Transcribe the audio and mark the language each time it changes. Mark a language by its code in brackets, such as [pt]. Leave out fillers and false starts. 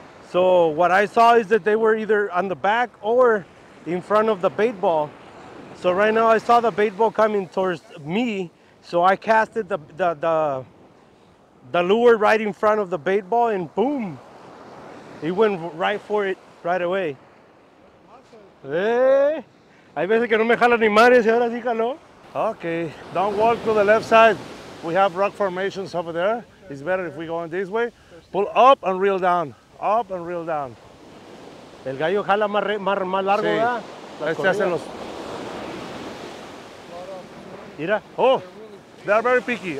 [en] So what I saw is that they were either on the back or in front of the bait ball. So right now I saw the bait ball coming towards me. So I casted the lure right in front of the bait ball and boom. He went right for it right away. [es] Hay veces que no me jala ni madres y ahora sí jaló. [en] Okay, don't walk to the left side. We have rock formations over there. It's better if we go in this way. Pull up and reel down. Up and reel down. [es] El gallo jala más largo, ¿verdad? Sí. Este hace los. Mira. [en] Oh, they are very picky.